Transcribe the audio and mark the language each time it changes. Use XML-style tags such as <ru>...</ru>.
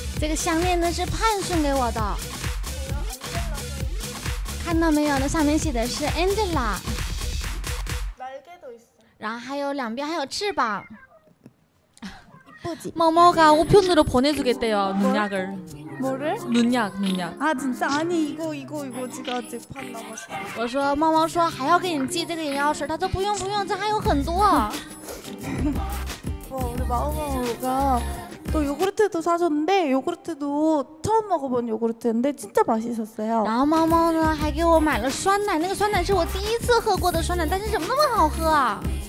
<zh>这个项链呢是盼送给我的，看到没有？那上面写的是 Angela， 然后还有两边还有翅膀。</zh> <ko>猫猫가우편으로보내주겠대요눈약을 뭐를 눈약눈약 아진짜아니이거이거이거지금아직판남았어</ko> <zh>我说猫猫说还要给你寄这个眼药水，他说不用不用，这还有很多。</zh> <ko>뭐우리마오마오가또요구르트도사줬는데요구르트도처음먹어본요구르트인데진짜맛있었어요</ko> <zh>然后猫猫呢还给我买了酸奶，那个酸奶是我第一次喝过的酸奶，但是怎么那么好喝啊？</zh>